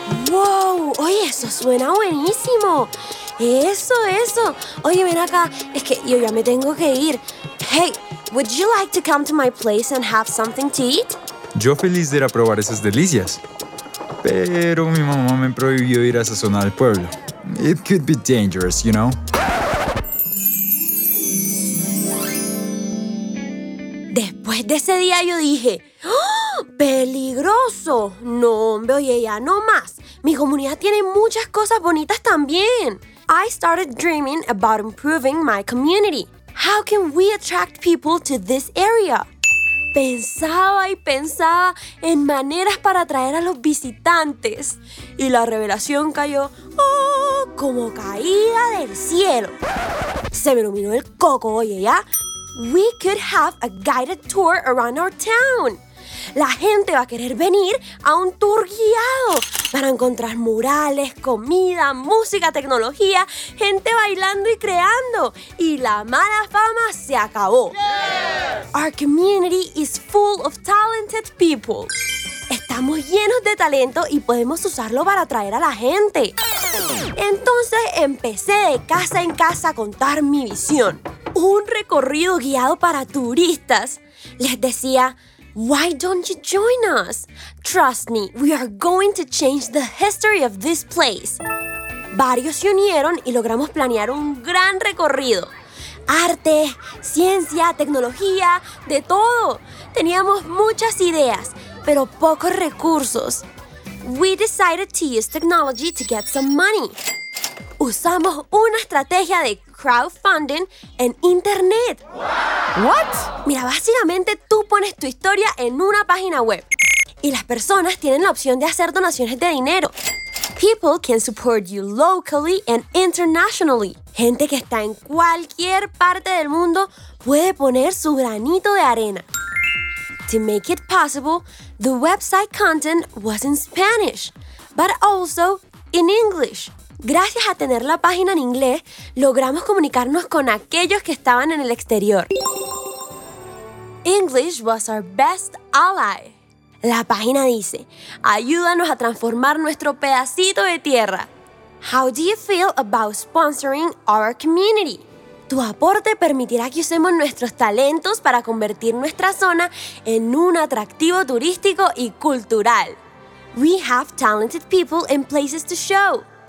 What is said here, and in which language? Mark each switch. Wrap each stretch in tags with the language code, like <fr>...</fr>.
<es>¡Wow! ¡Oye, eso suena buenísimo! ¡Eso, eso! Oye, ven acá. Es que yo ya me tengo que ir. ¡Hey!</es> <en>Would you like to come to my place and have something to eat?</en> <es>Yo feliz de ir a probar esas delicias. Pero mi mamá me prohibió ir a esa zona del pueblo.</es> <en>It could be dangerous, you know?</en> <es>Después de ese día yo dije, ¡oh, peligroso! No, hombre, oye, ya no más. Mi comunidad tiene muchas cosas bonitas también.</es> <en>I started dreaming about improving my community. How can we attract people to this area?</en> <es>Pensaba y pensaba en maneras para atraer a los visitantes. Y la revelación cayó, oh, como caída del cielo. Se me iluminó el coco, oye, ¿ya? We could have a guided tour around our town. La gente va a querer venir a un tour guiado. Van a encontrar murales, comida, música, tecnología, gente bailando y creando. Y la mala fama se acabó. Yeah.</es> <en>Our community is full of talented people.</en> <es>Estamos llenos de talento y podemos usarlo para atraer a la gente. Entonces empecé de casa en casa a contar mi visión. Un recorrido guiado para turistas. Les decía,</es> <en>why don't you join us? Trust me, we are going to change the history of this place.</en> <es>Varios se unieron y logramos planear un gran recorrido. Arte, ciencia, tecnología, de todo. Teníamos muchas ideas, pero pocos recursos.</es> <en>We decided to use technology to get some money.</en> <es>Usamos una estrategia de crowdfunding en internet.</es> <en>What?</en> <es>Mira, básicamente tú pones tu historia en una página web y las personas tienen la opción de hacer donaciones de dinero.</es> <en>People can support you locally and internationally.</en> <es>Gente que está en cualquier parte del mundo puede poner su granito de arena.</es> <en>To make it possible, the website content was in Spanish, but also in English.</en> <es>Gracias a tener la página en inglés, logramos comunicarnos con aquellos que estaban en el exterior.</es> <en>English was our best ally.</en> <es>La página dice, ayúdanos a transformar nuestro pedacito de tierra.</es> <en>How do you feel about sponsoring our community?</en> <es>Tu aporte permitirá que usemos nuestros talentos para convertir nuestra zona en un atractivo turístico y cultural.</es> <en>We have talented people and places to show.</en>